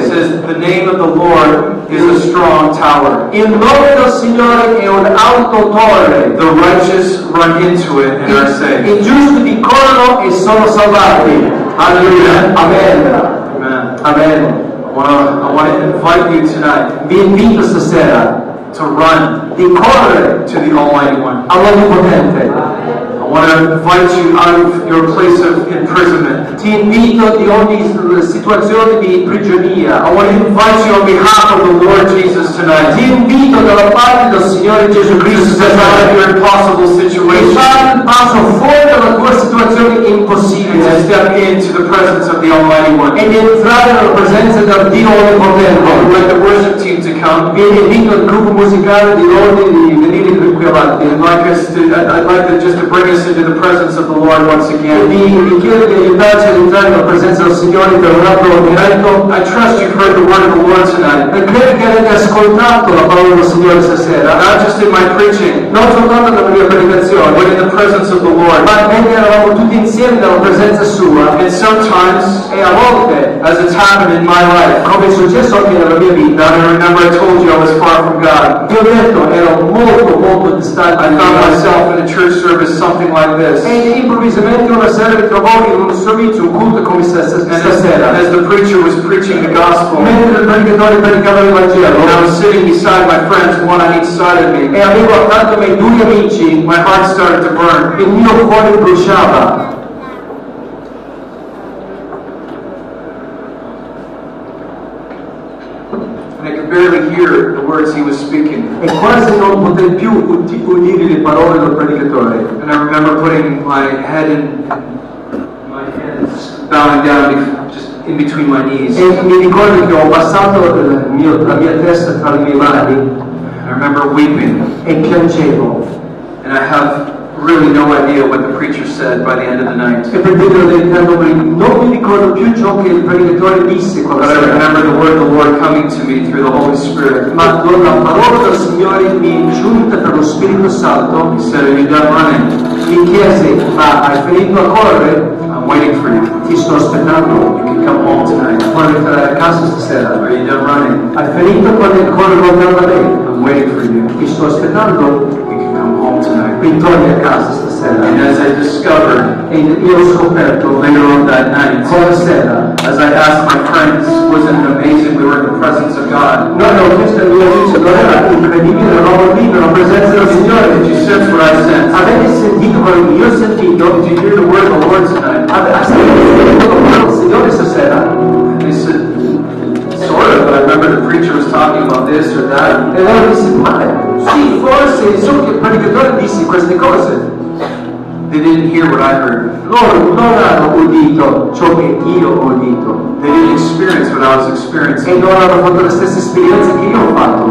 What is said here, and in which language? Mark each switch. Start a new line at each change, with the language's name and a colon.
English: Says the name of the Lord is a strong tower.
Italian: Il nome del Signore è un alto torre.
English: The righteous run into it and are saved.
Italian: I giusti vi corrono e sono salvati.
English: Hallelujah. Amen. Amen. I want to invite you tonight.
Italian: Vi invito stasera
English: to run,
Italian: di correre
English: to the Almighty One.
Italian: All'Onnipotente.
English: I want to invite you out of your place of imprisonment.
Italian: Ti invito di ogni situazione di prigionia.
English: I want to invite you on behalf of the Lord Jesus tonight.
Italian: Ti invito dalla parte del Signore Gesù Cristo.
English: Step out of your impossible situation.
Italian: Il passo fuori dalla tua situazione impossibile.
English: And step into the presence of the Almighty One.
Italian: E di entrare nella presenza del Dio Onnipotente.
English: I want the worship team to come.
Italian: Vi invito al gruppo musicale di ordine di venire qui avanti.
English: I'd like to bring us into the presence of the Lord once again. I trust you've heard the word of the Lord tonight. Not just in my preaching, but in the presence of the Lord. And sometimes, as it's happened in my life,
Italian: come successo anche nella mia vita,
English: I remember I told you I was far from God.
Italian: Io detto ero molto molto distante.
English: I found myself in a church service something like this.
Italian: E improvvisamente una sera mi trovo in un servizio un culto come stasera.
English: As the preacher was preaching the gospel,
Italian: mentre il predicatore predicava il Vangelo,
English: and I was sitting beside my friends, one on each side of me,
Italian: e avevo accanto a me due amici,
English: my heart started to burn.
Italian: Il mio cuore bruciava.
English: Barely hear the words he was speaking.
Italian: E quasi non potevo più udire le parole del predicatore.
English: And I remember putting my head in my hands, bowing down just in between my knees.
Italian: E mi ricordo che ho passato la mia testa tra le mie mani.
English: I remember weeping.
Italian: E piangevo.
English: And I have really no idea what the preacher said by the end of the night. But I remember the word of the Lord coming to me through the Holy Spirit. He said, "Are you done running?"
Italian: Mi chiese, "Ma hai finito a correre?"
English: "I'm waiting for you.
Italian: Ti sto aspettando.
English: You can come home tonight.
Italian: Puoi entrare a casa stasera."
English: "Are you done running?"
Italian: "Hai finito quando correrò per la lei?"
English: "I'm waiting for you.
Italian: Ti sto aspettando.
English: You can come home tonight.
Italian: Quindi torni a casa stasera."
English: And as I discovered,
Italian: and io ho scoperto
English: later on that night,
Italian: quella sera,
English: as I asked my friends, wasn't it amazing we were in the presence of God?
Italian: No, questo è il mio amico, non era incredibile, era roba libera, la presenza del Signore.
English: Did you sense what I sensed?
Italian: Avete sentito quello che io ho sentito?
English: Did you hear the word of the Lord tonight?
Italian: Ha sentito quello del Signore stasera?
English: They said, sort of, but I remember the preacher was talking about this or that.
Italian: E loro dissero, ma sì, forse, so che il predicatore disse queste cose.
English: They didn't hear what I heard.
Italian: Loro non hanno udito ciò che io ho udito.
English: They didn't experience what I was experiencing.
Italian: E non hanno fatto la stessa esperienza che io ho fatto.